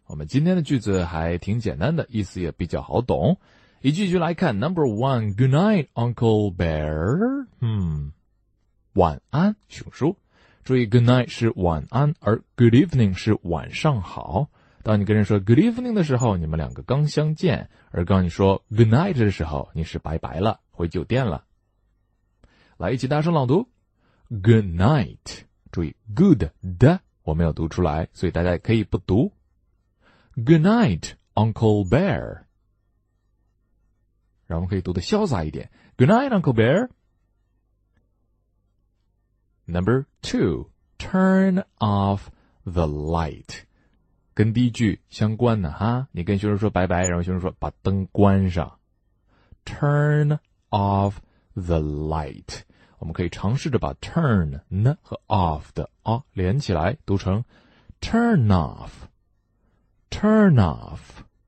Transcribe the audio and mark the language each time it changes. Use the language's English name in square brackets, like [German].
[Chinese] 我们今天的句子还挺简单的，意思也比较好懂。一句句来看 [English] ,Number one, good night, Uncle Bear. [Chinese] 晚安熊叔。注意 [English] good night [Chinese] 是晚安，而 [English] good evening [Chinese] 是晚上好。当你跟人说 [English] good evening [Chinese] 的时候，你们两个刚相见，而刚你说 [English] good night [Chinese] 的时候，你是拜拜了，回酒店了。来，一起大声朗读 [English] good night。 [Chinese] 注意 good 的我没有读出来，所以大家可以不读。 [English] good night Uncle Bear。 [Chinese] 然后可以读得潇洒一点， [English] good night Uncle BearNumber two, turn off the light. [Chinese] 跟第一句相关的哈，你跟熊叔说拜拜，然后熊叔说把灯关上。 [English] Turn off the light. [Chinese] 我们可以尝试着把 [English] turn 和 off 的 o [Chinese] 连起来，读成 [English] turn off, turn off.